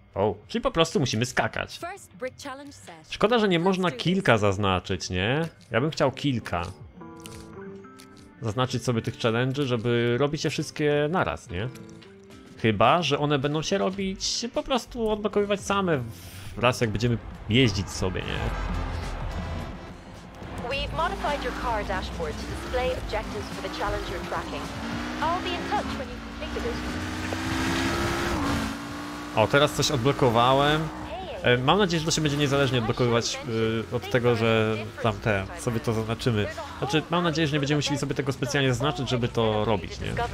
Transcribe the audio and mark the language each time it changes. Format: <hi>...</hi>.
<pl>O, czyli po prostu musimy skakać. Szkoda, że nie można kilka zaznaczyć, nie? Ja bym chciał kilka. Zaznaczyć sobie tych challenge, żeby robić je wszystkie naraz, nie? Chyba, że one będą się robić, po prostu odblokowywać same raz jak będziemy jeździć sobie, nie?</pl> <en>We've modified your car dashboard to display objectives for the challenge you're tracking. I'll be in touch when you complete the mission.</en> <pl>O, teraz coś odblokowałem. Mam nadzieję, że to się będzie niezależnie odblokowywać od tego, że tamte sobie to zaznaczymy. Znaczy, mam nadzieję, że nie będziemy musieli sobie tego specjalnie zaznaczyć, żeby to robić, nie?</pl>